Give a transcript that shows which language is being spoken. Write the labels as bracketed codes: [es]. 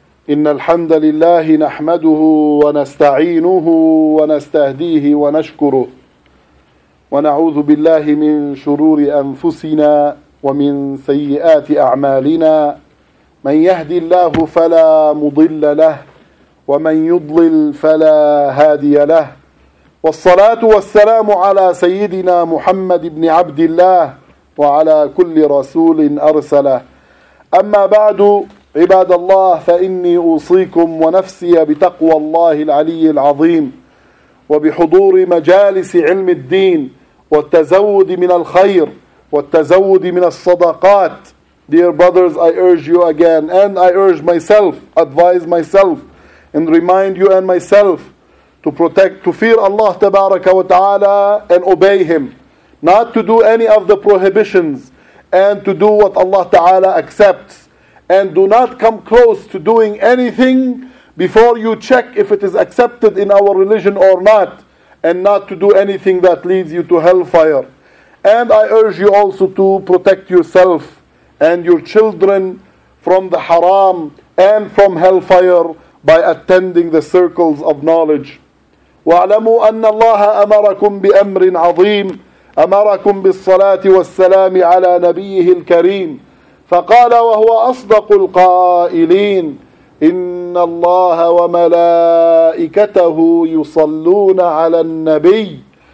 [ar] إن الحمد لله نحمده ونستعينه ونستهديه ونشكره ونعوذ بالله من شرور أنفسنا ومن سيئات أعمالنا، من يهدي الله فلا مضل له ومن يضلل فلا هادي له، والصلاة والسلام على سيدنا محمد بن عبد الله وعلى كل رسول أرسله. أما بعد، عباد الله، فإني أوصيكم ونفسي بتقوى الله العلي العظيم وبحضور مجالس علم الدين والتزود من الخير والتزود من الصدقات. [en] Dear brothers, I urge you again, and I urge myself, advise myself, and remind you and myself to protect, to fear Allah tabaraka wa ta'ala and obey Him, not to do any of the prohibitions, and to do what Allah ta'ala accepts, and do not come close to doing anything before you check if it is accepted in our religion or not, and not to do anything that leads you to hellfire. And I urge you also to protect yourself and your children from the haram and from hellfire by attending the circles of knowledge. [ar] وَاعْلَمُوا أَنَّ اللَّهَ أَمَرَكُمْ بِأَمْرٍ عَظِيمٍ أَمَرَكُمْ بِالصَّلَاةِ وَالسَّلَامِ عَلَى نَبِيِّهِ الْكَرِيمِ فَقَالَ وَهُوَ أَصْدَقُ الْقَائِلِينَ إِنَّ اللَّهَ وَمَلَائِكَتَهُ يُصَلُّونَ عَلَى النَّبِيِّ